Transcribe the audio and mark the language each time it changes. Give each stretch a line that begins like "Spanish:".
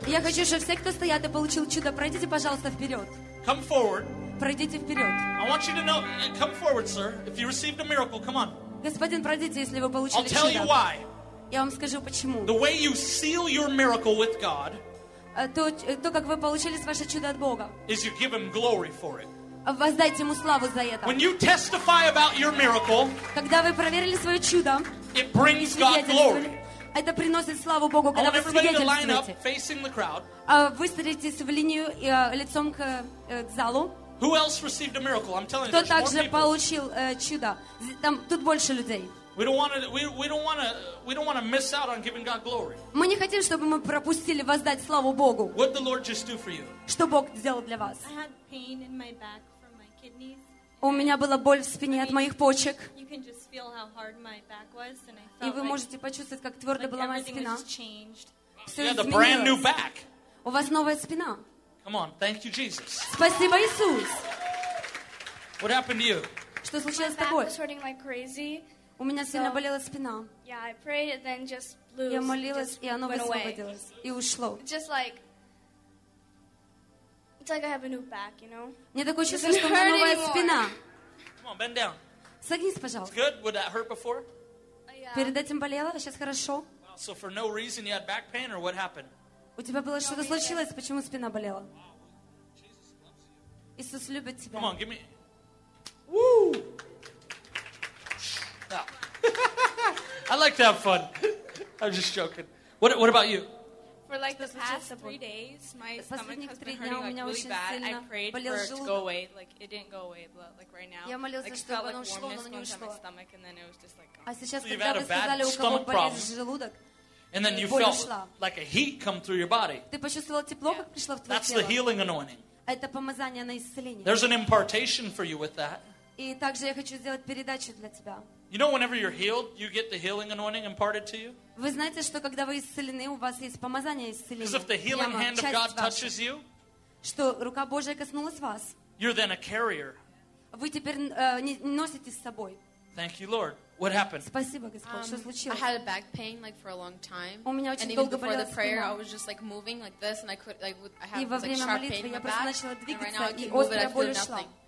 Russian: Я хочу, чтобы все, кто стоят и получил чудо, пройдите, пожалуйста, вперед.
English: Come forward.
Russian: Пройдите вперед.
English: I want you to know, come forward, sir, if you received a miracle, come on.
Russian: Господин, пройдите, если вы получили чудо.
English: I'll tell you why.
Russian: Я вам скажу, почему.
English: The way you seal your miracle with God,
Russian: то, как вы получили ваше чудо от Бога.
English: Is you give him glory for it.
Russian: Воздайте ему славу за это.
English: When you testify about your miracle,
Russian: когда вы проверили свое чудо,
English: it brings God glory.
Russian: Это приносит славу Богу, когда вы свидетельствуете. Выстроитесь в линию лицом к залу.
English: Who else received a miracle? I'm telling you,
Russian: кто также получил чудо? Там тут больше людей.
English: We don't want to miss out on giving God glory.
Russian: Мы не хотим, чтобы мы пропустили воздать славу Богу.
English: What did the Lord just do for you?
Russian: Что Бог сделал для вас?
English: I had pain in my back from my kidneys.
Russian: У меня была боль в спине от моих почек.
English: You can just feel how hard my back was, and I felt.
Russian: И вы можете почувствовать, как твёрда была моя спина.
English: You had a brand new back.
Russian: У вас новая спина.
English: Come on, thank you, Jesus.
Russian: Спасибо, Иисус.
English: What happened to you?
Russian: Что случилось с тобой?
English: My back was hurting like crazy.
Russian: У меня сильно болела спина.
English: Yeah, I prayed, and then just blew.
Russian: Я молилась, и оно высвободилось, и ушло.
English: Just like. It's like I have a new back, you know.
Russian: Мне такое чувство, что у меня новая спина.
English: Come on, bend down.
Russian: Согнись, пожалуйста.
English: Good. Would that hurt before? Yeah.
Russian: Перед этим болела, сейчас хорошо.
English: So for no reason you had back pain, or what happened?
Russian: У тебя было что-то случилось? Почему спина болела? Иисус любит тебя.
English: Come on, give me. Woo! Now, I like to have fun. I'm just joking. What about you? For like the past 3 days, my stomach has been hurting like really bad. I prayed for it to go away, like it didn't go away, but like right now, like it felt like warmness going to my stomach, and then it was just like gone.
Russian: А сейчас, когда вы сказали, у кого болит желудок?
English: And then you felt like a heat come through your body.
Russian: Ты почувствовал тепло, как пришло в твое тело.
English: That's the healing anointing.
Russian: Это помазание на исцеление.
English: There's an impartation for you with that.
Russian: И также я хочу сделать передачу для тебя.
English: You know, whenever you're healed, you get the healing anointing imparted to you.
Russian: Вы знаете, что когда вы исцелены, у вас есть помазание исцеления.
English: Because if the healing hand of God touches you,
Russian: что рука Божья коснулась вас,
English: you're then a carrier.
Russian: Вы теперь носите с собой.
English: Thank you, Lord. What happened?
Russian: Спасибо, Господь. Что случилось?
English: I had a back pain like for a long time.
Russian: У меня очень долго болела спина.
English: And even before the prayer, I was just like moving like this, and I could like I had like sharp pain in my back.
Russian: Я просто начала двигаться, и острая боль ушла.